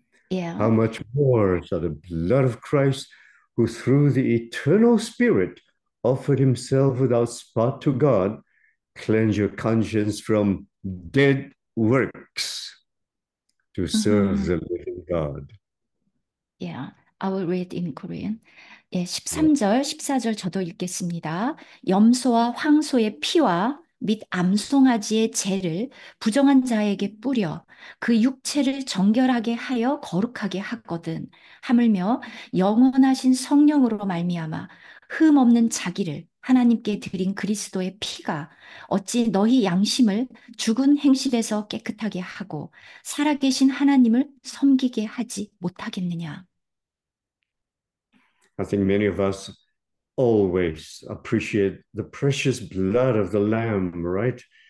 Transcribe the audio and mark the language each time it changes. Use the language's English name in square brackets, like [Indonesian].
[English] How much more shall the blood of Christ, who through the eternal Spirit offered himself without spot to God, cleanse your conscience from dead works to serve the living God. Yeah, I will read in Korean. [Korean] 예, 13절, 14절 저도 읽겠습니다. 염소와 황소의 피와 및 암송아지의 재를 부정한 자에게 뿌려 그 육체를 정결하게 하여 거룩하게 하거든. 하물며 영원하신 성령으로 말미암아 흠 없는 자기를 하나님께 드린 그리스도의 피가 어찌 너희 양심을 죽은 행실에서 깨끗하게 하고 살아계신 하나님을 섬기게 하지 못하겠느냐? [English] I think many of us always appreciate the precious blood of the Lamb, right?